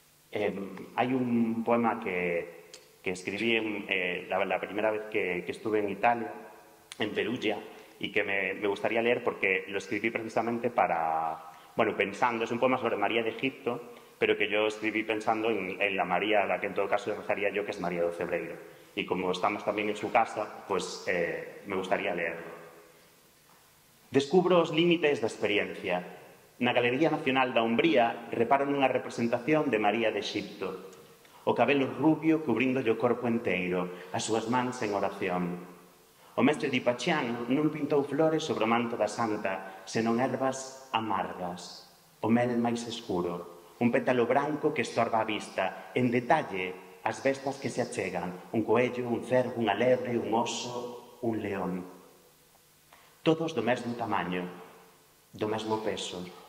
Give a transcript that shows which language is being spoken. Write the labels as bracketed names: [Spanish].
[Spanish] Hai un poema que escribí la primera vez que estuve en Italia, en Perugia, y que me gustaría leer porque lo escribí precisamente para... Bueno, pensando, es un poema sobre María de Egipto, pero que yo escribí pensando en la María, la que en todo caso rezaría yo, que es María do Cebreiro. Y como estamos también en su casa, pues me gustaría leerlo. [Galician] Descubro os límites da experiencia. Na Galería Nacional da Umbría reparan unha representación de María de Egipto. O cabelo rubio cubrindo o corpo enteiro, as súas mans en oración. O mestre di Pachián non pintou flores sobre o manto da santa, senón ervas amargas. O mel máis escuro, un pétalo branco que estorba a vista, en detalle, as bestas que se achegan, un coello, un cervo, unha lebre, un oso, un león. Todos do mesmo tamaño, do mesmo peso.